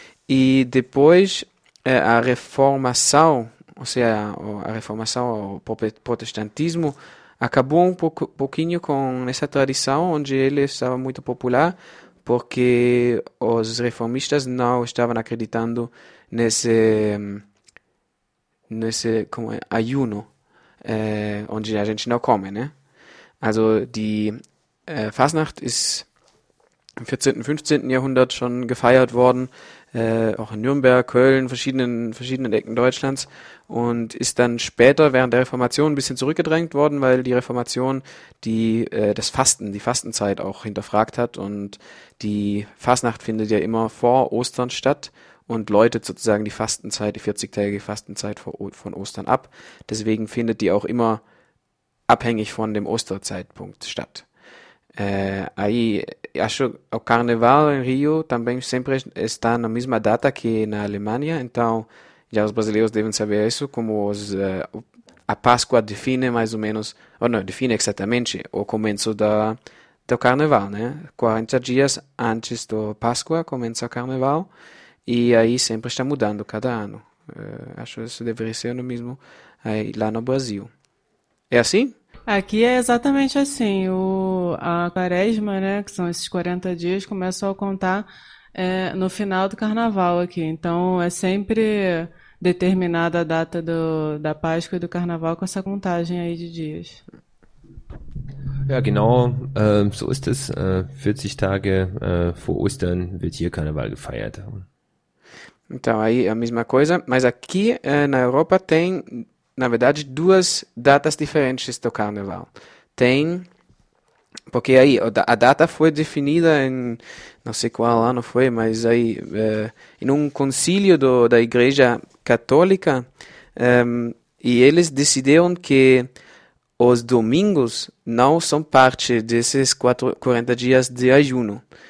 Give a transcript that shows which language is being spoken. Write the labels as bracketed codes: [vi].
[pt] E depois a Reformação, ou seja, a Reformação, o protestantismo, acabou um pouquinho com essa tradição onde ele estava muito popular, porque os reformistas não estavam acreditando nesse como é, ayuno, onde a gente não come, né? [de] Also, die Fasnacht ist im 14., 15. Jahrhundert schon gefeiert worden, auch in Nürnberg, Köln, verschiedenen Ecken Deutschlands und ist dann später während der Reformation ein bisschen zurückgedrängt worden, weil die Reformation die Fastenzeit auch hinterfragt hat und die Fasnacht findet ja immer vor Ostern statt und läutet sozusagen die Fastenzeit, die 40-tägige Fastenzeit von Ostern ab. Deswegen findet die auch immer abhängig von dem Osterzeitpunkt statt. [pt] Aí, acho que o Carnaval em Rio também sempre está na mesma data que na Alemanha, então já os brasileiros devem saber isso, como a Páscoa define mais ou menos, ou não, define exatamente o começo do Carnaval, né? 40 dias antes do Páscoa começa o Carnaval e aí sempre está mudando cada ano. Acho que isso deveria ser no mesmo aí, lá no Brasil. É assim? Aqui é exatamente assim, a quaresma, né, que são esses 40 dias, começam a contar no final do carnaval aqui. Então é sempre determinada a data da Páscoa e do carnaval com essa contagem aí de dias. [de] Ja, genau, so ist es. 40 Tage vor Ostern wird hier Karneval gefeiert. [pt] Então aí é a mesma coisa, mas aqui na Europa tem. Na verdade, duas datas diferentes do Carnaval. Tem, porque aí, a data foi definida em, não sei qual ano foi, mas aí, em um concílio da Igreja Católica, e eles decidiram que os domingos não são parte desses 40 dias de ayuno.